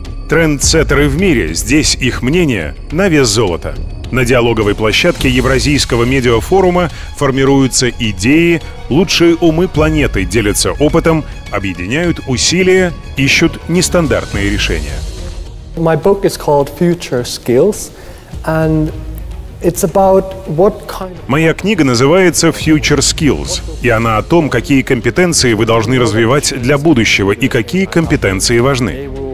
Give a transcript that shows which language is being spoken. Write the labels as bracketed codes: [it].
[ru] Трендсеттеры в мире, здесь их мнение на вес золота. На диалоговой площадке Евразийского медиафорума формируются идеи, лучшие умы планеты делятся опытом, объединяют усилия, ищут нестандартные решения. [en] My book is called Future Skills, and it's about what kind of... [ru] Моя книга называется Future Skills, и она о том, какие компетенции вы должны развивать для будущего и какие компетенции важны.